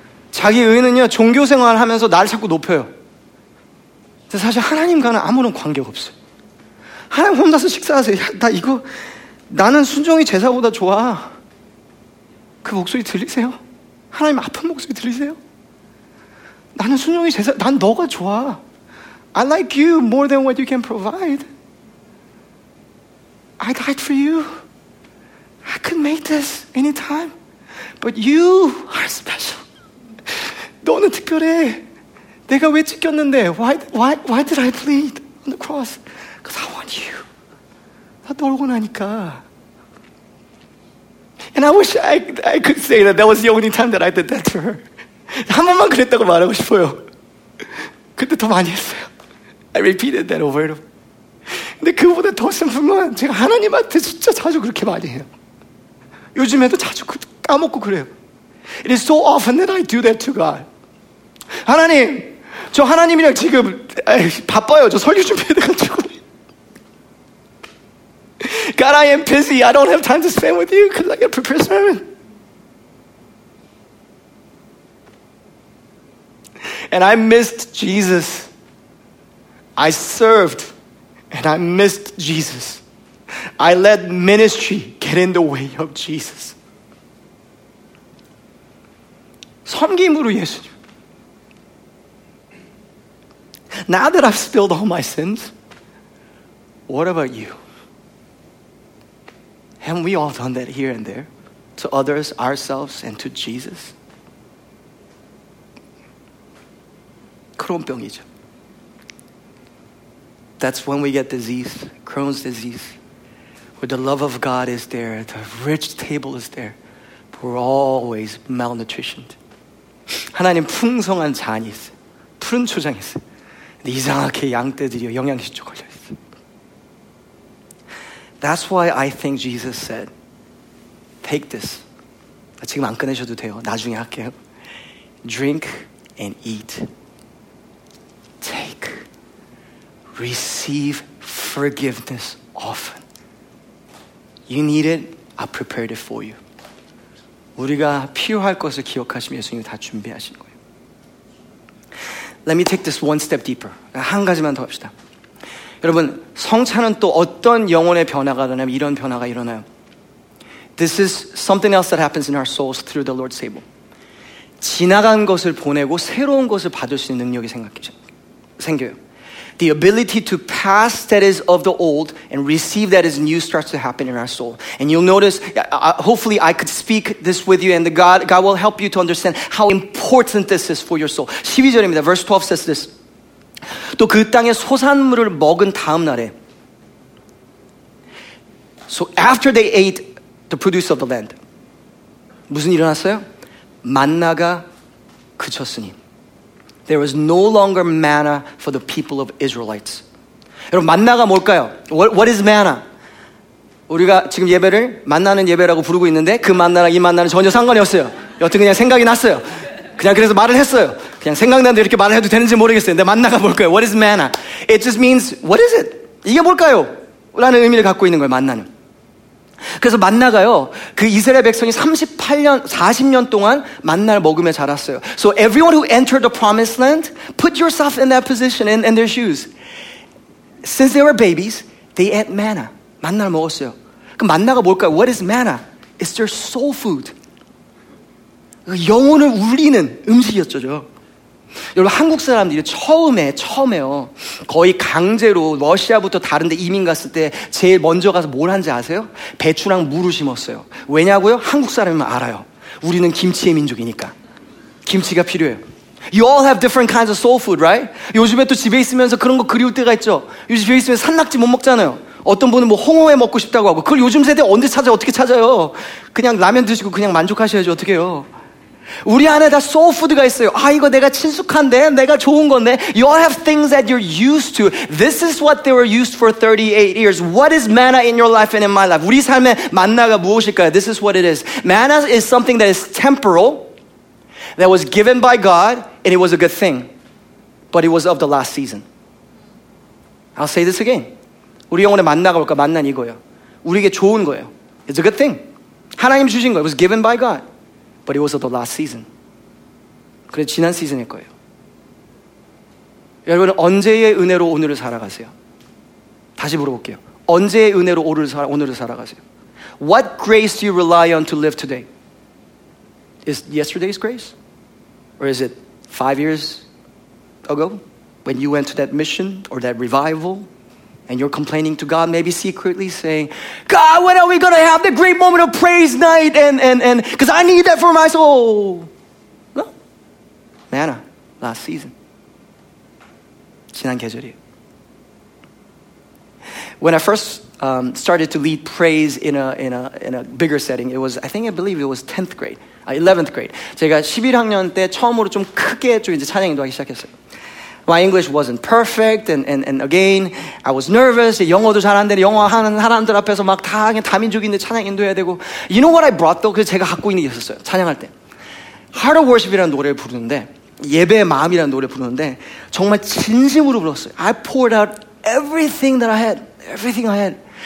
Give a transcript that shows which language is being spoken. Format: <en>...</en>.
<ko>자기 의는요, 종교 생활을 하면서 날 자꾸 높여요. 근데 사실 하나님과는 아무런 관계가 없어요. 하나님 혼자서 식사하세요. 야, 나는 순종이 제사보다 좋아. 그 목소리 들리세요? 하나님 아픈 목소리 들리세요? 나는 순종이 제사, 난 너가 좋아.</ko> <en>I like you more than what you can provide. I died for you. I could make this anytime, but you are special.</en> <ko>너는 특별해. 내가 왜 찍혔는데?</ko> <en>Why did I bleed on the cross? Because I want you.</en> <ko>나 널 원하니까.</ko> <en>And I wish I could say that that was the only time that I did that to her.</en> <ko>한 번만 그랬다고 말하고 싶어요. 근데 더 많이 했어요.</ko> <en>I repeated that over and over.</en> <ko>근데 그보다 더 슬픈 건 제가 하나님한테 진짜 자주 그렇게 많이 해요. 요즘에도 자주 까먹고 그래요.</ko> <en>It is so often that I do that to God.</en> <ko>하나님, 저 하나님이랑 지금 바빠요. 저 설교 준비해야 돼가지고.</ko> <en>God, I am busy. I don't have time to spend with you because I get prepared sermon. And I missed Jesus. I served and I missed Jesus. I let ministry get in the way of Jesus.</en> <ko>섬김으로 예수님.</ko> <en>Now that I've spilled all my sins, what about you? And we all done that here and there to others, ourselves, and to Jesus.</en> <ko>크론 병이죠.</ko> <en>That's when we get disease, Crohn's disease, where the love of God is there, the rich table is there, but we're always malnutritioned.</en> <ko>하나님 풍성한 잔이 있어요. 푸른 초장이 있어요. 이상하게 양떼들이 영양실조 걸려 있어요.</ko> <en>That's why I think Jesus said, take this.</en> <ko>지금 안 꺼내셔도 돼요. 나중에 할게요.</ko> <en>Drink and eat. Take. Receive forgiveness often. You need it. I prepared it for you.</en> <ko>우리가 필요할 것을 기억하시면 예수님이 다 준비하신 거예요.</ko> <en>Let me take this one step deeper.</en> <ko>한 가지만 더 합시다. 여러분, 성찬은 또 어떤 영혼의 변화가 되냐면 이런 변화가 일어나요.</ko> <en>This is something else that happens in our souls through the Lord's table.</en> <ko>지나간 것을 보내고 새로운 것을 받을 수 있는 능력이 생겨요.</ko> <en>The ability to pass that is of the old and receive that is new starts to happen in our soul. And you'll notice, hopefully I could speak this with you and God will help you to understand how important this is for your soul.</en> <ko>12절입니다.</ko> <en>Verse 12 says this.</en> <ko>또 그 땅의 소산물을 먹은 다음 날에</ko> <en>So after they ate the produce of the land</en> <ko>무슨 일어났어요? 만나가 그쳤으니</ko> <en>There was no longer manna for the people of Israelites.</en> <ko>여러분 만나가 뭘까요?</ko> <en>What is manna?</en> <ko>우리가 지금 예배를 만나는 예배라고 부르고 있는데 그 만나랑 이 만나는 전혀 상관이 없어요. 여튼 그냥 생각이 났어요. 그냥 그래서 말을 했어요. 그냥 생각나는 대로 이렇게 말을 해도 되는지 모르겠어요. 근데 만나가 뭘까요?</ko> <en>What is manna? It just means, what is it?</en> <ko>이게 뭘까요? 라는 의미를 갖고 있는 거예요, 만나는. 그래서 만나가요, 그 이스라엘 백성이 38년, 40년 동안 만나를 먹으며 자랐어요.</ko> <en>So everyone who entered the promised land, put yourself in that position, in their shoes. Since they were babies, they ate manna.</en> <ko>만나를 먹었어요. 그럼 만나가 뭘까요?</ko> <en>What is manna? It's their soul food.</en> <ko>영혼을 울리는 음식이었죠. 여러분 한국 사람들이 처음에요 거의 강제로 러시아부터 다른데 이민 갔을 때 제일 먼저 가서 뭘 한지 아세요? 배추랑 무를 심었어요. 왜냐고요? 한국 사람이면 알아요. 우리는 김치의 민족이니까 김치가 필요해요.</ko> <en>You all have different kinds of soul food, right?</en> <ko>요즘에 또 집에 있으면서 그런 거 그리울 때가 있죠. 요즘 집에 있으면 산낙지 못 먹잖아요. 어떤 분은 뭐 홍어회 먹고 싶다고 하고 그걸 요즘 세대 언제 찾아요? 어떻게 찾아요? 그냥 라면 드시고 그냥 만족하셔야죠. 어떻게 해요? 우리 안에 다 소울푸드가 있어요. 아 이거 내가 친숙한데 내가 좋은 건데</ko> <en>You all have things that you're used to. This is what they were used for 38 years. What is manna in your life and in my life?</en> <ko>우리 삶에 만나가 무엇일까요?</ko> <en>This is what it is. Manna is something that is temporal that was given by God and it was a good thing. But it was of the last season. I'll say this again.</en> <ko>우리 영혼에 만나가 뭘까? 만난 이거예요. 우리에게 좋은 거예요.</ko> <en>It's a good thing.</en> <ko>하나님 주신 거예요.</ko> <en>It was given by God. But it was the last season.</en> <ko>그래 지난 시즌일 거예요. 여러분 언제의 은혜로 오늘을 살아가세요? 다시 물어볼게요. 언제의 은혜로 오늘을 살아가세요?</ko> <en>What grace do you rely on to live today? Is yesterday's grace? Or is it 5 years ago when you went to that mission or that revival? And you're complaining to God, maybe secretly saying, God, when are we going to have the great moment of praise night? And because I need that for my soul. No. Manna, last season.</en> <ko>지난 계절이에요.</ko> <en>When I first started to lead praise in a bigger setting, it was, I believe it was 10th grade, 11th grade.</en> <ko>제가 11학년 때 처음으로 좀 크게 좀 이제 찬양 인도하기 시작했어요.</ko> <en>My English wasn't perfect, and again, I was nervous.</en> <ko>영어도 잘 안 되는 영어 하는 사람들 앞에서 막 다 그냥 다민족인데 찬양 인도해야 되고.</ko> <en>You know what I brought though?</en> <ko>그래서 제가 갖고 있는 게 있었어요. 찬양할 때. Heart of Worship이라는 노래를 부르는데, 예배의 마음이라는 노래를 부르는데, 정말 진심으로 불렀어요.</ko> <en>I poured out everything that I had, everything I had.</en>